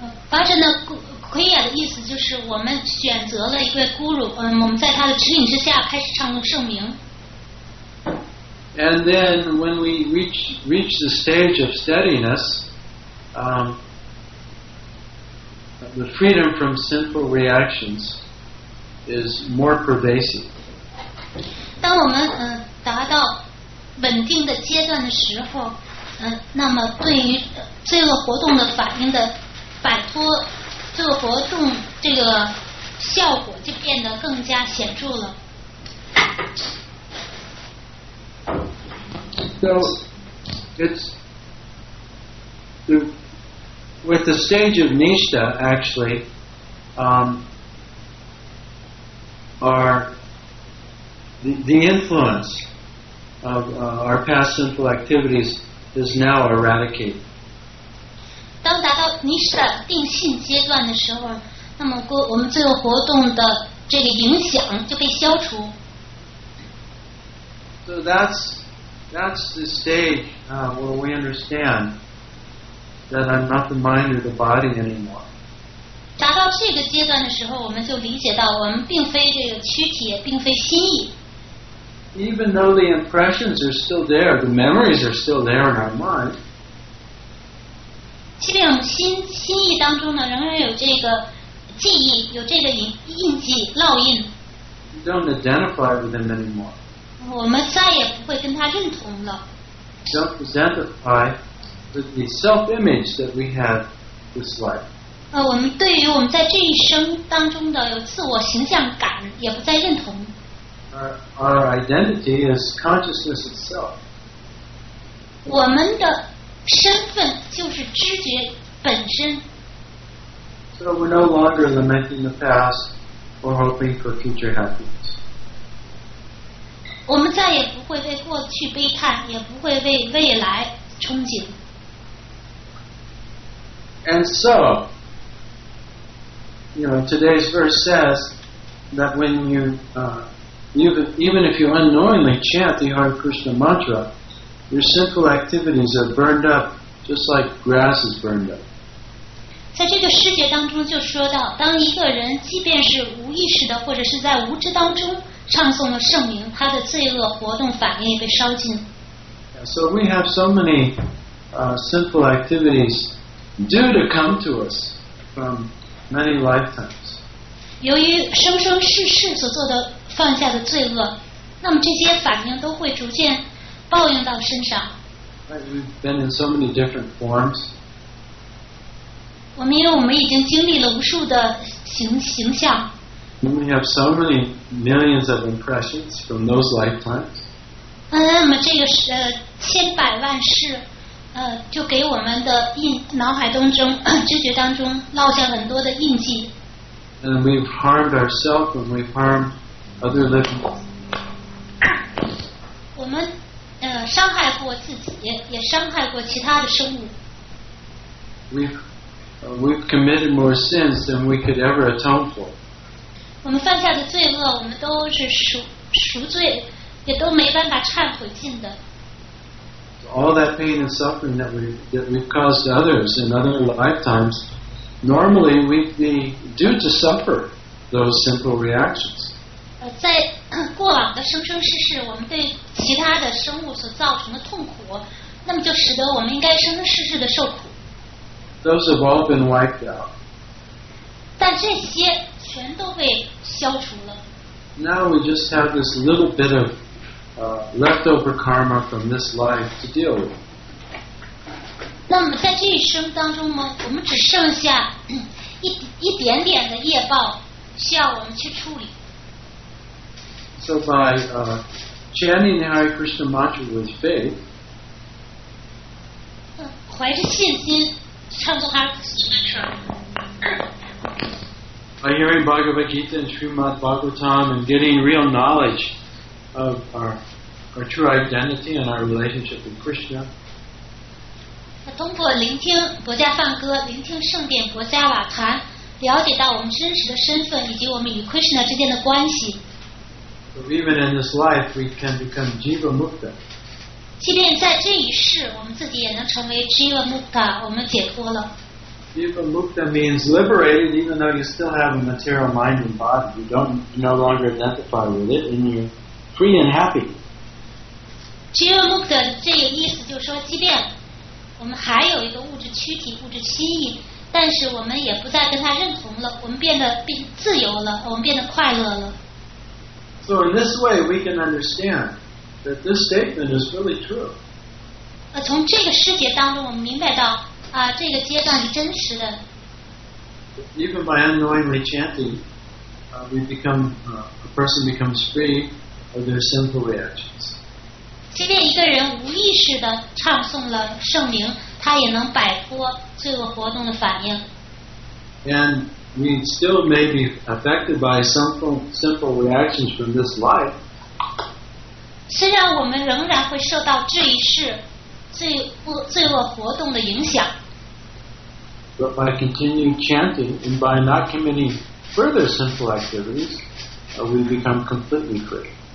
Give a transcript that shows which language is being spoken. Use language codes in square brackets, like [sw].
[zh] Bhajana Kriya 的意思就是我们选择了一位 Guru， 我们在他的指引之下开始唱诵圣名。 [en] And then when we reach the stage of steadiness. the freedom from sinful reactions is more pervasive. [zh] 当我们达到稳定的阶段的时候，那么对于罪恶活动的反应的摆脱，罪恶活动这个效果就变得更加显著了。 [en] So it's with the stage of nishta actually, are the influence of our past sinful activities is now eradicated. [zh] 当达到 nishta 定性阶段的时候，那么我们罪恶活动的这个影响就被消除。 [en] So that's the stage where we understand that I'm not the mind or the body anymore. [zh] 达到这个阶段的时候，我们就理解到我们并非这个躯体，并非心意。 [en] Even though the impressions are still there, the memories are still there in our mind. [zh] 即便我们心意当中呢，仍然有这个记忆，有这个印记烙印。 [en] We don't identify with them anymore. [zh] 我们再也不会跟他认同了。 [en] Don't identify with the self-image that we have this life. [zh] 我们对于我们在这一生当中的有自我形象感，也不再认同。 [en] Our identity is consciousness itself. [zh] 我们的身份就是知觉本身。 [en] So we're no longer lamenting the past or hoping for future happiness. [zh] 我们再也不会为过去悲叹，也不会为未来憧憬。 [en] And so, you know, today's verse says that when you even if you unknowingly chant the Hare Krishna mantra, your sinful activities are burned up just like grass is burned up. [zh] 在这个世界当中就说到，当一个人即便是无意识的或者是在无知当中唱诵了圣名，他的罪恶活动反应也被烧尽。 [en] So we have so many sinful activities due to come to us from many lifetimes. [zh] 由于生生世世所做的犯下的罪恶，那么这些反应都会逐渐报应到身上。 [en] We've been in so many different forms. [zh] 我们因为我们已经经历了无数的形象。 [en] We have so many millions of impressions from those lifetimes. [zh] 那么这个是千百万世，就给我们的脑海当中、知觉当中烙下很多的印记。 [en] And we've harmed ourselves, and we've harmed other living. [zh] 我们伤害过自己，也伤害过其他的生物。 [en] We've committed more sins than we could ever atone for. [zh] 我们犯下的罪恶，我们都是赎罪，也都没办法忏悔尽的。 [en] All that pain and suffering that we've caused others in other lifetimes, normally we'd be due to suffer those simple reactions. [zh] 在过往的生生世世，我们对其他的生物所造成的痛苦，那么就使得我们应该生生世世的受苦。 [en] Those have all been wiped out. [zh] 但这些全都被消除了。 [en] Now we just have this little bit of leftover karma from this life to deal with. [zh] 那么在这一生当中呢，我们只剩下一点点的业报需要我们去处理。 [en] So by chanting the Hare Krishna mantra with faith, [zh] 怀着信心唱诵 Hare Krishna mantra, [en] by hearing Bhagavad Gita and Srimad Bhagavatam and getting real knowledge of our true identity and our relationship with Krishna, [zh] 通过聆听国家梵歌，聆听圣殿国家瓦坛，了解到我们真实的身份以及我们与 Krishna 之间的关系。 [en] So even in this life, we can become jiva mukta. [zh] 即便在这一世，我们自己也能成为 jiva mukta, 我们解脱了。 [en] Jiva mukta means liberated, even though you still have a material mind and body, you don't no longer identify with it, and you're free and happy. [zh] Jiva mukta 这个意思就是说，即便我们还有一个物质躯体、物质心意，但是我们也不再跟他认同了，我们变得比自由了，我们变得快乐了。 [en] So in this way, we can understand that this statement is really true. [zh] 从这个世界当中，我们明白到啊，这个阶段是真实的。 [en] Even by unknowingly chanting, we become a person becomes free of their sinful reactions. [zh] 即便一个人无意识的唱诵了圣灵，他也能摆脱罪恶活动的反应。 [en] And we still may be affected by sinful reactions from this life. [zh] 虽然我们仍然会受到这一世罪恶活动的影响。 [en] But by continuing chanting and by not committing further sinful activities, we become completely free.